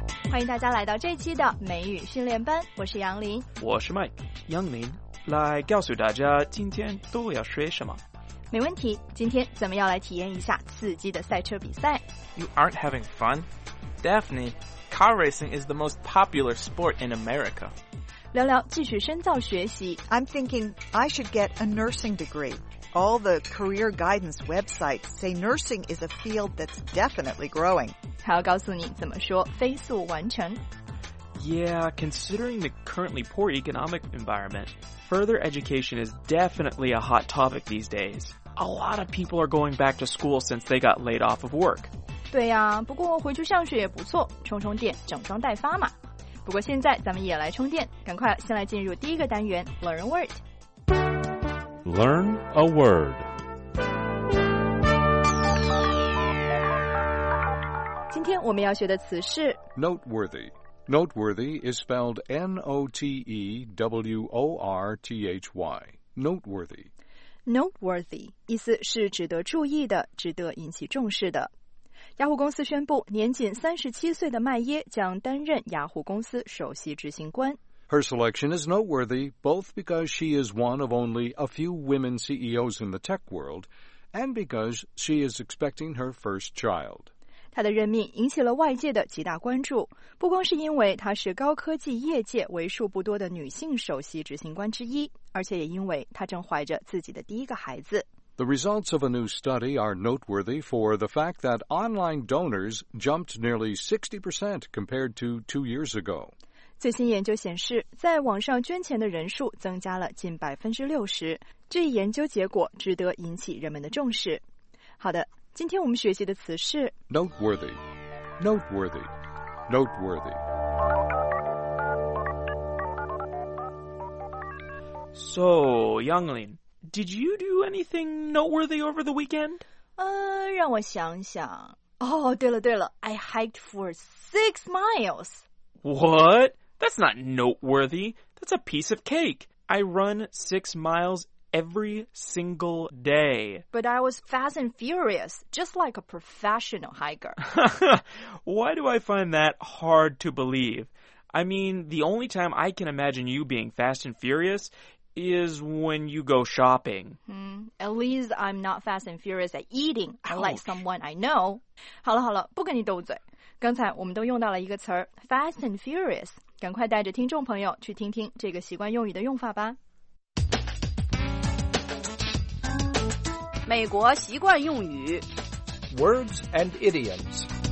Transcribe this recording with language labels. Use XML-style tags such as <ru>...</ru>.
<zh>欢迎大家来到这期的美语训练班，我是杨林，我是 Mike。杨林，来告诉大家今天都要学什么。没问题，今天咱们要来体验一下刺激的赛车比赛。</zh> <en>You aren't having fun? Daphne, car racing is the most popular sport in America.</en> <zh>聊聊继续深造学习。</zh> <en>I'm thinking I should get a nursing degree. All the career guidance websites say nursing is a field that's definitely growing.</en> <zh>还要告诉你怎么说飞速完成。</zh> <en>Yeah, considering the currently poor economic environment, further education is definitely a hot topic these days. A lot of people are going back to school since they got laid off of work.</en> <zh>对呀、啊、不过回去上学也不错，充充电，整装待发嘛。不过现在咱们也来充电，赶快先来进入第一个单元 Learn a Word。</zh> <en>Learn a Word。</en> <zh>今天我们要学的词是</zh> <en>Noteworthy。 Noteworthy is spelled N-O-T-E-W-O-R-T-H-Y. Noteworthy.</en> <zh>Noteworthy 意思是值得注意的，值得引起重视的。雅虎公司宣布，年仅37岁的麦耶将担任雅虎公司首席执行官。</zh> <en>Her selection is noteworthy both because she is one of only a few women CEOs in the tech world and because she is expecting her first child.</en> <zh>他的任命引起了外界的极大关注，不光是因为她是高科技业界为数不多的女性首席执行官之一，而且也因为她正怀着自己的第一个孩子。</zh> <en>The results of a new study are noteworthy for the fact that online donors jumped nearly 60% compared to 2 years ago.</en> <zh>最新研究显示，在网上捐钱的人数增加了近60%，这一研究结果值得引起人们的重视。好的。今天我们学习的词是</zh> <en>noteworthy, noteworthy, noteworthy. So, Yanglin, did you do anything noteworthy over the weekend?</en> <zh>让我想想。</zh> <en>Oh,</en> <zh>对了对了</zh> <en>I hiked for 6 miles. What? That's not noteworthy. That's a piece of cake. I run 6 miles every single day. But I was fast and furious, just like a professional hiker. Why do I find that hard to believe? I mean, the only time I can imagine you being fast and furious is when you go shopping. At least I'm not fast and furious at eating, like someone I know.</en> <zh>好了好了，不跟你斗嘴。刚才我们都用到了一个词儿 fast and furious. 赶快带着听众朋友去听听这个习惯用语的用法吧。美国习惯用语</zh> <en>Words and idioms.</en>